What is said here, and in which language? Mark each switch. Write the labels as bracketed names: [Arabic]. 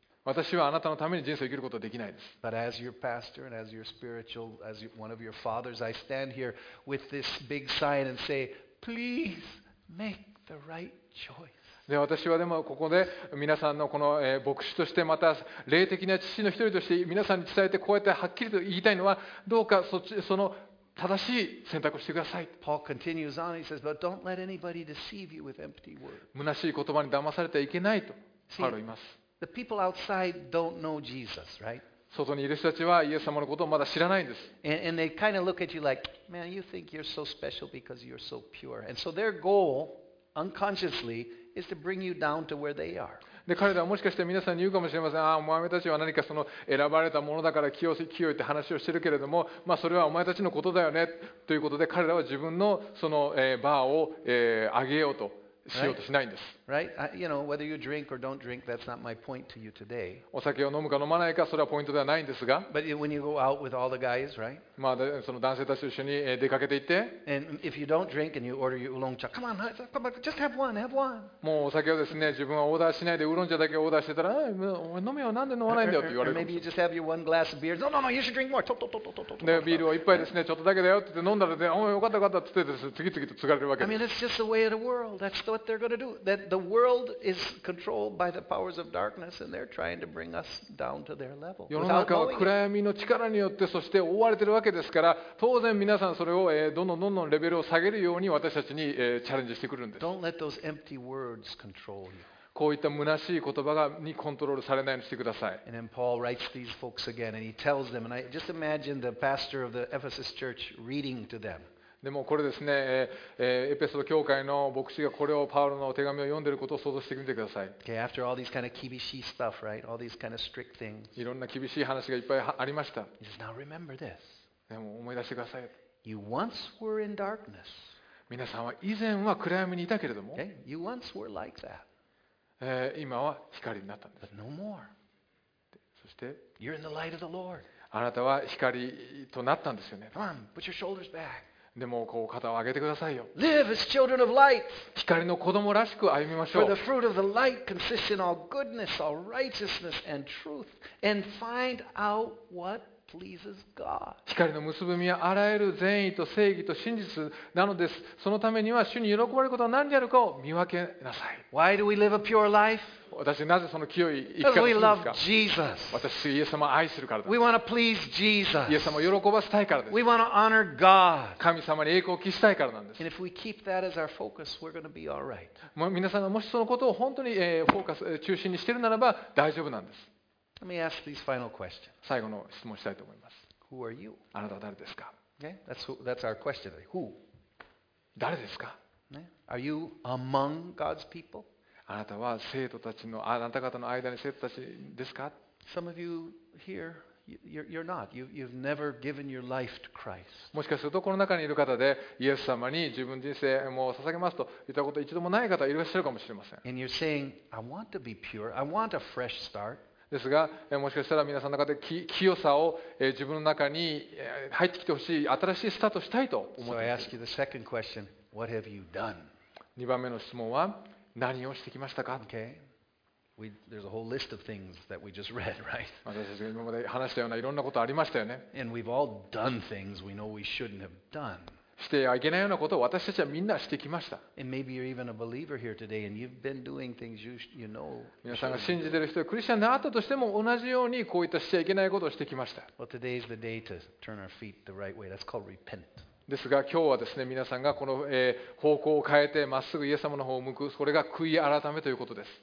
[Japanese] 私はあなたのために人生を生きることはできないです。 [English] But as your pastor and as your spiritual, as one of your fathers, I stand here with this big sign and say, please make the right choice. [Japanese] で、私はでもここで皆さんのこの牧師としてまた霊的な父の一人として皆さんに伝えてこうやってはっきりと言いたいのはどうかその正しい選択をしてください。 [English] Paul continues on. He says, but don't let anybody deceive you with empty words. [Japanese] 虚しい言葉に騙されてはいけないとパウロ言います。 [English] The people outside don't know Jesus, right? [Japanese] 外にいる人たちはイエス様のことをまだ知らないんです。 [English] And they kind of look at you like, man, you think you're so special because you're so pure. And so their goal, unconsciously, is to bring you down to where they are. [Japanese] で、彼らはもしかして皆さんに言うかもしれません。ああ、お前たちは何かその選ばれたものだから清い清いって話をしてるけれども、まあそれはお前たちのことだよねということで、彼らは自分のそのバーを上げようと。しようとしないんです。 [English] Right? You know, whether you drink or don't drink, that's not my point to you today. [Japanese] お酒を飲むか飲まないか、それはポイントではないんですが。 [English] But when you go out with all the guys, right? [Japanese] まあ、その男性たちと一緒に出かけていって。 [English] And if you don't drink and you order your oolong cha, come on, just have one, have one. [Japanese] もうお酒をですね、自分はオーダーしないでウーロン茶だけオーダーしてたら、飲めよ、なんで飲まないんだよって言われる。 [English] Or maybe you just have your one glass of beer. No, no, no, you should drink more. [Japanese] で、ビールを一杯ですね、ちょっとだけだよって飲んだらで、おお、よかったよかったって次々と継がれるわけです。 [English] I mean, that's just the way of the world. That's what they're going to do. That the world is controlled by the powers of darkness, and they're trying to bring us down to their level. [Japanese] 世の中は暗闇の力によってそして覆われているわけですから、当然皆さんそれをどんどんどんどんレベルを下げるように私たちにチャレンジしてくるんです。 [English] Don't let those empty words control you. [Japanese] こういった虚しい言葉がにコントロールされないようにしてください。 [English] And then Paul writes these folks again, and he tells them, and I just imagine the pastor of the Ephesus church reading to them. [Japanese] でもこれですね、エペソド教会の牧師がこれをパウロの手紙を読んでいることを想像してみてください。 [English] Okay, after all these kind of [Japanese] 厳しい [English] stuff, right? All these kind of strict things. [Japanese] いろんな厳しい話がいっぱいありました。 [English] He says, now remember this. [Japanese] でも思い出してください。 [English] You once were in darkness. [Japanese] 皆さんは以前は暗闇にいたけれども、 [English] okay? You once were like that. [Japanese] 今は光になったんです。 [English] But no more. [Japanese] そして、 [English] You're in the light of the Lord. [Japanese] あなたは光となったんですよね。 [English] Come on, put your shoulders back. [Japanese] でもこう肩を上げてくださいよ。 [English] Live as children of light. [Japanese] 光の子供らしく歩みましょう。 [English] For the fruit of the light consists in all goodness, all righteousness, and truth. And find out what pleases God. [Japanese] 光の結び目はあらゆる善意と正義と真実なのです。そのためには主に喜ばれることは何であるかを見分けなさい。 [English] Why do we live a pure life? [Japanese] 私なぜその清い生き方をするんですか。 [English] Because we love Jesus. [Japanese] 私はイエス様を愛するからです。 [English] We want to please Jesus. [Japanese] イエス様を喜ばせたいからです。 [English] We want to honor God. [Japanese] 神様に栄光を期したいからなんです。 [English] And if we keep that as our focus, we're going to be all right. [Japanese] 皆さんがもしそのことを本当にフォーカス中心にしているならば大丈夫なんです。 [English] Let me ask these final questions. [Japanese] 最後の質問したいと思います。 [English] Who are you? [Japanese] あなたは誰ですか。 [English] Okay, that's our question. Who? [Japanese] 誰ですか。 [English] Are you among God's people? [Japanese] あなたは生徒たちのあなた方の間に生徒たちですか [English] ？Some of you here, you're not. You've never given your life to Christ. [Japanese] もしかするとこの中にいる方でイエス様に自分人生も捧げますと言ったこと一度もない方いらっしゃるかもしれません。 [English] And you're saying, I want to be pure. I want a fresh start. [Japanese] ですがもしかしたら皆さんの中で清さを自分の中に入ってきてほしい新しいスタートしたいと思っている [English] So I ask you the second question. What have you done? [Japanese] 二番目の質問は。何をしてきましたか [English] ？Okay, there's a whole list of things that we just read, right? [Japanese] 私たちが今まで話したようないろんなことありましたよね。 [English] And we've all done things we know we shouldn't have done. [Japanese] してはいけないようなことを私たちはみんなしてきました。 [English] And maybe you're even a believer here today, and you've been doing things you know. [Japanese] 皆さんが信じている人はクリスチャンであったとしても同じようにこういったしちゃいけないことをしてきました。 [English] Well, today's the day to turn our feet the right way. That's called repent. [Japanese] ですが今日はですね皆さんがこの方向を変えてまっすぐイエス様の方を向くこれが悔い改めということです。